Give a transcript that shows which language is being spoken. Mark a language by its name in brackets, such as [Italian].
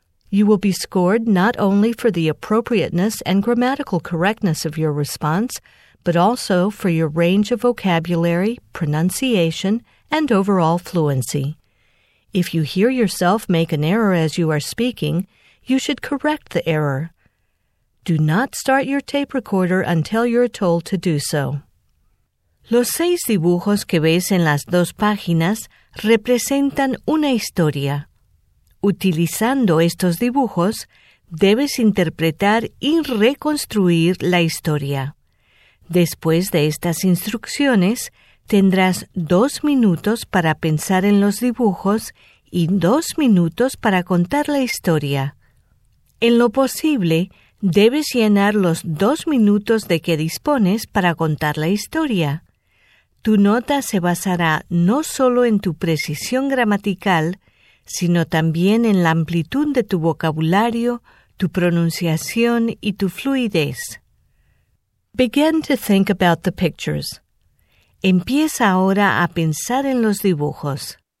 [English] You will be scored not only for the appropriateness and grammatical correctness of your response, but also for your range of vocabulary, pronunciation, and overall fluency. If you hear yourself make an error as you are speaking, you should correct the error. Do not start your tape recorder until you're told to do so. [Spanish] Los seis dibujos que ves en las dos páginas representan una historia. Utilizando estos dibujos, debes interpretar y reconstruir la historia. Después de estas instrucciones, tendrás 2 minutos para pensar en los dibujos y 2 minutos para contar la historia. En lo posible, debes llenar los 2 minutos de que dispones para contar la historia. Tu nota se basará no solo en tu precisión gramatical, sino también en la amplitud de tu vocabulario, tu pronunciación y tu fluidez. [English] Begin to think about the pictures. [Spanish] Empieza ahora a pensar en los dibujos.